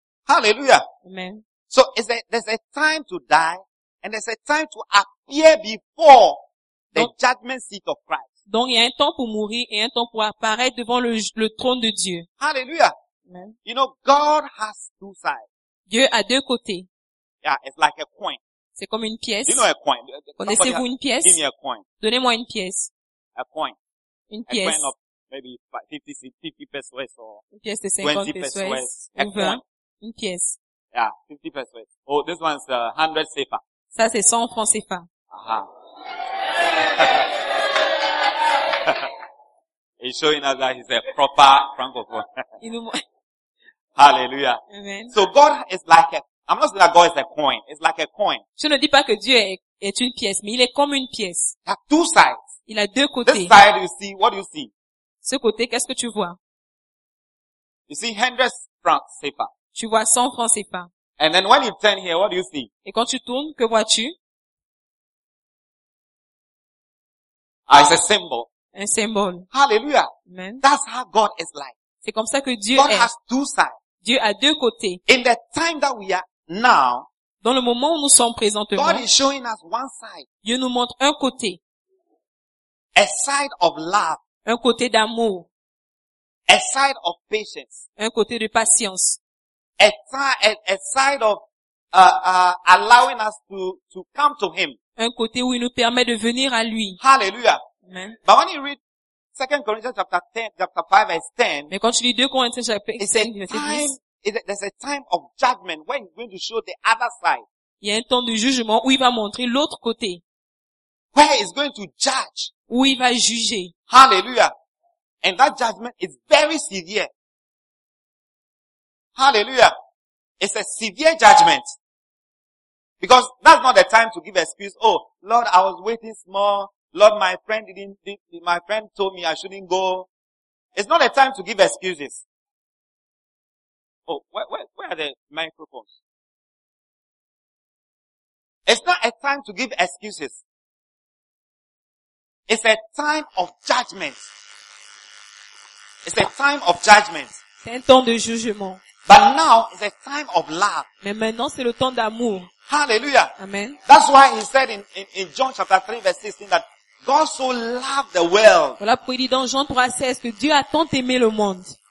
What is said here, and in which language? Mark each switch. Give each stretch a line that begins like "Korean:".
English: Hallelujah. Amen. So there's a time to die and there's a time to appear before the judgment seat of Christ.
French: Donc, il y a un temps pour mourir et un temps pour apparaître devant le trône de Dieu. Hallelujah. Amen.
English: You know, God has two sides.
French: Dieu a deux côtés.
English: Yeah, it's like a coin.
French: C'est comme une pièce.
English: You know a coin.
French: Connaissez-vous une pièce?
English: Give me a coin.
French: Donnez-moi une pièce.
English: A coin.
French: Une pièce.
English: A coin of maybe 50 pesos or
French: une pièce de 50 pesos.
English: A coin.
French: Une pièce.
English: Yeah, 50 pesos. Oh, this one's 100 CFA.
French: Ça, c'est 100 francs CFA. Aha.
English: He's showing us that he's a proper francophone. Hallelujah. Amen. So God is like a, I'm not saying that God is a coin. It's like a coin.
French: Je ne dis pas que Dieu est une pièce, mais il est comme une pièce.
English: He has two sides.
French: Il a deux côtés.
English: This side you see, what do you see?
French: Ce côté, qu'est-ce que tu vois?
English: You see 100 francs CFA.
French: Tu vois 100 francs CFA.
English: And then when you turn here, what do you see?
French: Et quand tu tournes, que vois-tu?
English: Ah, it's a symbol.
French: Un symbole. Hallelujah. Amen.
English: That's how God is like.
French: C'est comme ça que Dieu
English: God
French: est.
English: Has two sides.
French: Dieu a deux côtés.
English: In the time that we are now,
French: dans le moment où nous sommes présentement,
English: God is showing us one side.
French: Dieu nous montre un côté.
English: A side of love.
French: Un côté d'amour.
English: A side of patience.
French: Un côté de patience.
English: A side of allowing us to come to him.
French: Un côté où il nous permet de venir à lui. Hallelujah. Amen.
English: But when you read 2 Corinthians chapter 10, chapter 5 verse 10,
French: mais quand tu lis 2 Corinthiens chapitre 10,
English: there's a time of judgment when he's going to show the other side.
French: Il y a un temps de jugement où il va montrer l'autre côté.
English: Where he's going to judge.
French: Où il va juger. Hallelujah.
English: And that judgment is very severe. Hallelujah. It's a severe judgment. Because that's not the time to give excuse. Oh, Lord, I was waiting small. Lord, my friend told me I shouldn't go. It's not a time to give excuses. Oh, where are the microphones? It's not a time to give excuses. It's a time of judgment. It's a time of judgment.
French: C'est un temps de jugement.
English: But now is a time of love.
French: Mais maintenant c'est le temps d'amour. Hallelujah. Amen.
English: That's why he said in John chapter 3 verse 16 that God so loved the world.
French: Voilà pourquoi il dit dans Jean 3 16 que Dieu a tant aimé le monde.